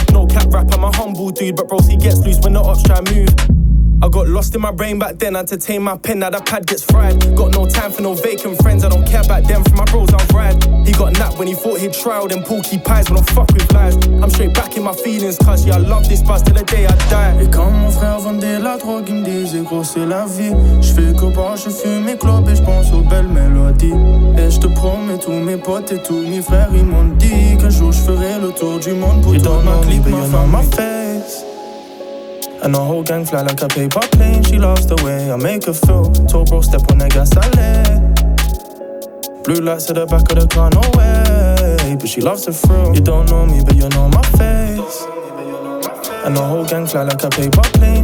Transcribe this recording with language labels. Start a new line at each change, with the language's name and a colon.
English: No cap rap, I'm a humble dude, but bros, he gets loose when the ops try move. I got lost in my brain back then, had to tame my pen, now the pad gets fried. Got no time for no vacant friends, I don't care about them, for my bros I'm fried. He got napped when he thought he'd try all them porky pies, but don't fuck with lies. I'm straight back in my feelings, cause yeah, I love this buzz till the day I die.
French: Et quand mon frère vendait la drogue, il me disait gros c'est la vie. J'fais que boire, je fume et clope et j'pense aux belles mélodies. Et j'te promets tous mes potes et tous mes frères, ils m'ont dit qu'un jour j'ferai le tour du monde pour tout ma clip, ma famille.
English: And the whole gang fly like a paper plane. She loves the way I make her feel. Told bro step on the gas, I lay. Blue lights at the back of the car, no way. But she loves the thrill. You don't know me, but you know my face. And the whole gang fly like a paper plane.